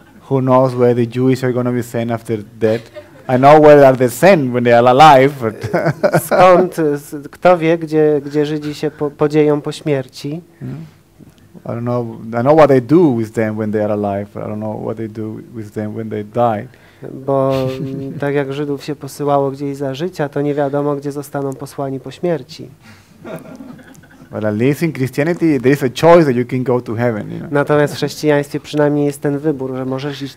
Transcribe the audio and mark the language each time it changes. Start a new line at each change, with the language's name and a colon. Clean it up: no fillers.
English: Who knows where the Jews are going to be sent after death? I know where are they sent when they are alive. But
Polish: skąd, kto wie, gdzie Żydzi się podzieją po śmierci?
English: Yeah. I don't know. I know what they do with them when they are alive, but I don't know what they do with them when they die.
Polish: Bo tak jak Żydów się posyłało gdzieś za życia, to nie wiadomo, gdzie zostaną posłani po śmierci.
English: But at least in Christianity, there is a choice that you can go to heaven. You know?
Polish: Natomiast w chrześcijaństwie przynajmniej jest ten wybór, że możesz iść